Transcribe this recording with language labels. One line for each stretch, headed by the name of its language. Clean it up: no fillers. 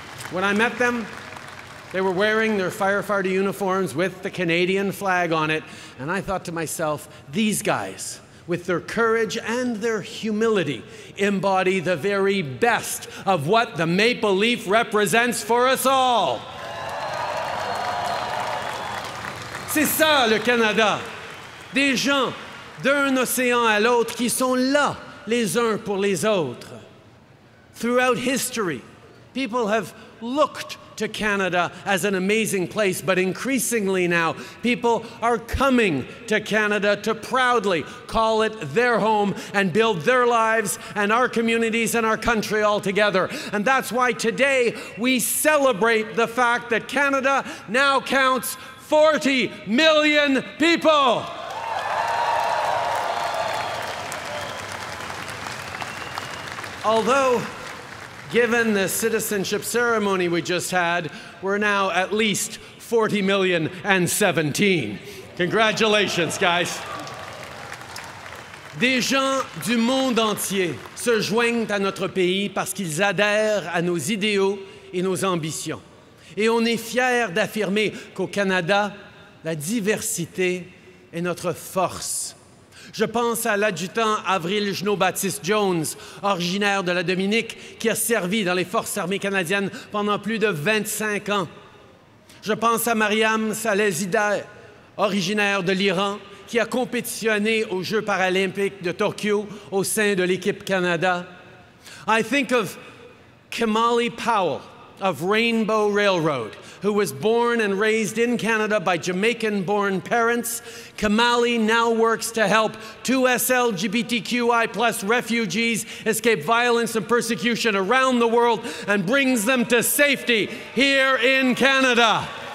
English: When I met them, They were wearing their firefighter uniforms with the Canadian flag on it, and I thought to myself, these guys, with their courage and their humility, embody the very best of what the Maple Leaf represents for us all.
French: C'est ça, le Canada. Des gens d'un océan à l'autre qui sont là les uns pour les autres.
English: Throughout history, people have looked to Canada as an amazing place, but increasingly now, people are coming to Canada to proudly call it their home and build their lives and our communities and our country all together. And that's why today we celebrate the fact that Canada now counts 40 million people. Although, given the citizenship ceremony we just had, we're now at least 40 million and 17. Congratulations, guys.
French: Des gens du monde entier se joignent à notre pays parce qu'ils adhèrent à nos idéaux et nos ambitions. Et on est fiers d'affirmer qu'au Canada, la diversité est notre force. Je pense à l'adjudant Avril Jeannot-Baptiste Jones, originaire de la Dominique, qui a servi dans les Forces armées canadiennes pendant plus de 25 ans. Je pense à Mariam Salezidah, originaire de l'Iran, qui a compétitionné aux Jeux paralympiques de Tokyo au sein de l'équipe Canada.
English: I think of Kimali Powell of Rainbow Railroad, who was born and raised in Canada by Jamaican-born parents. Kimali now works to help 2SLGBTQI+ refugees escape violence and persecution around the world and brings them to safety here in Canada.